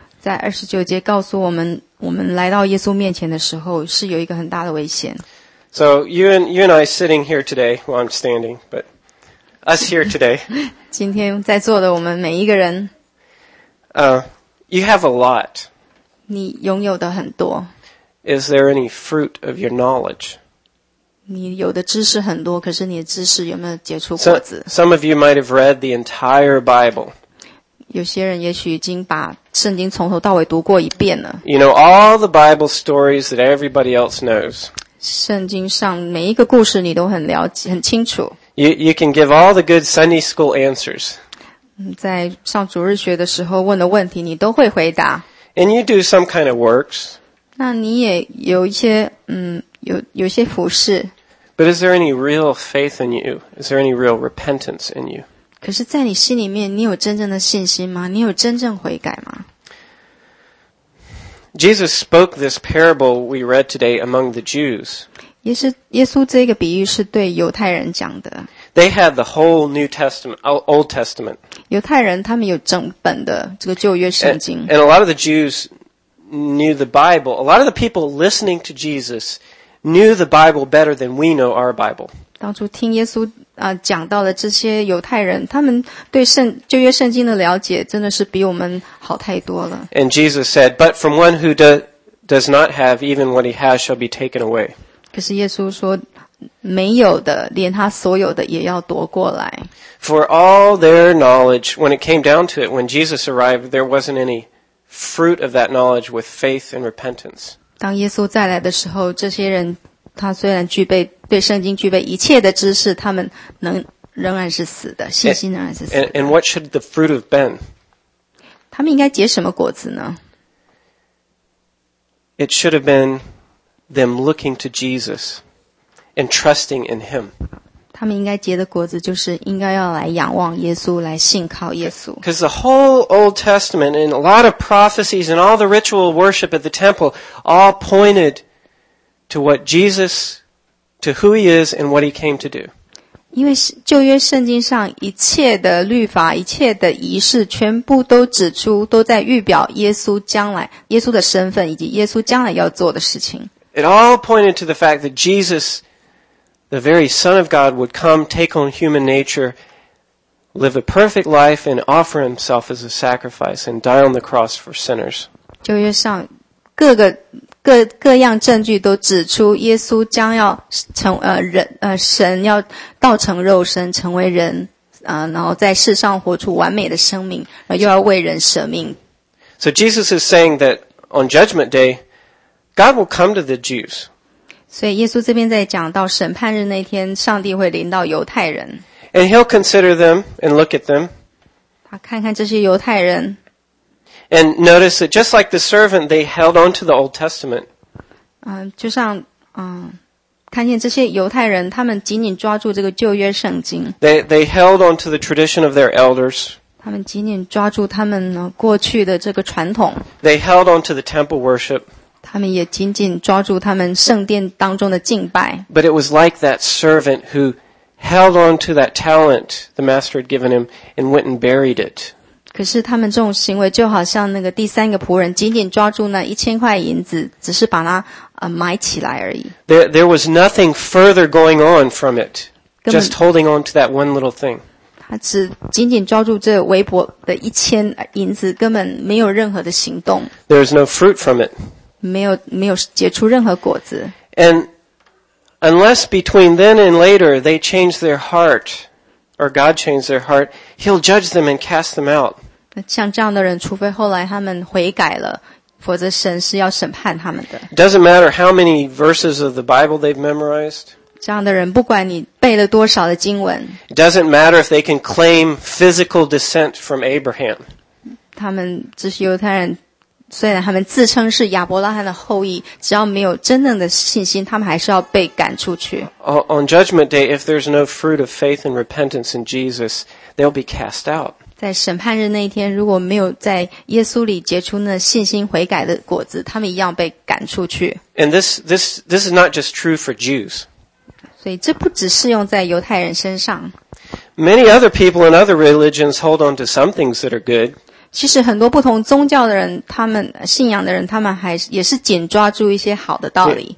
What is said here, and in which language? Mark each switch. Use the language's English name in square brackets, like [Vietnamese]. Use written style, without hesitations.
[Chinese] 在29节告诉我们我们来到耶稣面前的时候是有一个很大的危险。 [English] So you and I sitting here today, well I'm standing, but us here today. [Chinese] 今天在座的我们每一个人。 [English] You have a lot. [Chinese] 你拥有的很多。 [English] Is there any fruit of your knowledge? [Chinese] 你有的知识很多，可是你的知识有没有结出果子？ [English] Some of you might have read the entire Bible. [Chinese] 有些人也许已经把圣经从头到尾读过一遍了。 [English] You know all the Bible stories that everybody else knows. [Chinese] 圣经上每一个故事你都很了解，很清楚。 [English] You can give all the good Sunday school answers. [Chinese] 在上主日学的时候问的问题你都会回答。 [English] And you do some kind of works. [Chinese] 那你也有一些有些服事。 [English] But is there any real faith in you? Is there any real repentance in you? [Chinese] 可是在你心里面你有真正的信心吗？你有真正悔改吗？ [English] Jesus spoke this parable we read today among the Jews. [Chinese] 耶稣这个比喻是对犹太人讲的。 [English] They had the whole New Testament, Old Testament. [Chinese] 犹太人他们有整本的这个旧约圣经。 [English] And a lot of the Jews knew the Bible. A lot of the people listening to Jesus knew the Bible better than we know our Bible. [Chinese] 当初听耶稣讲到的这些犹太人，他们对旧约圣经的了解真的是比我们好太多了。 [English] And Jesus said, "But from one who does not have, even what he has shall be taken away." [Chinese] 可是耶稣说。没有的，连他所有的也要夺过来。 [English] For all their knowledge, when it came down to it, when Jesus arrived, there wasn't any fruit of that knowledge with faith and repentance. [Chinese] 当耶稣再来的时候，这些人他虽然具备对圣经具备一切的知识，他们仍然是死的，信心仍然是死的。 [English] And what should the fruit have been? [Chinese] 他们应该结什么果子呢？ [English] It should have been them looking to Jesus. And trusting in him. [Chinese] 他们应该结的果子就是应该要来仰望耶稣，来信靠耶稣。 [English] Because the whole Old Testament and a lot of prophecies and all the ritual worship at the temple all pointed to what Jesus, to who he is and what he came to do. [Chinese] 因为旧约圣经上一切的律法、一切的仪式，全部都指出，都在预表耶稣将来、耶稣的身份以及耶稣将来要做的事情。 [English] It all pointed to the fact that Jesus. The very Son of God would come, take on human nature, live a perfect life, and offer himself as a sacrifice, and die on the cross for sinners. [Chinese] 旧约上各样证据都指出，耶稣将要成神要道成肉身，成为人然后在世上活出完美的生命，又要为人舍命。 [English] So Jesus is saying that on Judgment Day, God will come to the Jews. [Chinese] 所以耶稣这边在讲到审判日那天上帝会临到犹太人。 [English] And he'll consider them and look at them. [Chinese] 他看看这些犹太人。 [English] And notice that just like the servant, they held on to the Old Testament. [Chinese] 就像看见这些犹太人他们紧紧抓住这个旧约圣经。 [English] They held on to the tradition of their elders. [Chinese] 他们紧紧抓住他们过去的这个传统。 [English] They held on to the temple worship. [Chinese] 他们也紧紧抓住他们圣殿当中的敬拜。 [English] But it was like that servant who held on to that talent the master had given him and went and buried it. [Chinese] 可是他们这种行为就好像那个第三个仆人紧紧抓住那一千块银子，只是把它埋起来而已。 [English] There was nothing further going on from it, just holding on to that one little thing. [Chinese] 他只紧紧抓住这微薄的一千银子，根本没有任何的行动。 [English] There is no fruit from it. [Chinese] 没有结出任何果子。 [English] And unless between then and later they change their heart, or God changes their heart, He'll judge them and cast them out. [Chinese] 像这样的人，除非后来他们悔改了，否则神是要审判他们的。 [English] Doesn't matter how many verses of the Bible they've memorized. [Chinese] 这样的人不管你背了多少的经文。 [English] It doesn't matter if they can claim physical descent from Abraham. [Chinese] 他们这些犹太人虽然他们自称是亚伯拉罕的后裔，只要没有真正的信心，他们还是要被赶出去。 [English] On judgment day, if there's no fruit of faith and repentance in Jesus, they'll be cast out. [Chinese] 在审判日那一天，如果没有在耶稣里结出那信心悔改的果子，他们一样被赶出去。 [English] And this is not just true for Jews. [Chinese] 所以这不只适用在犹太人身上。 [English] Many other people in other religions hold on to some things that are good. [Chinese] 其实很多不同宗教的人，他们信仰的人，他们还也是紧抓住一些好的道理。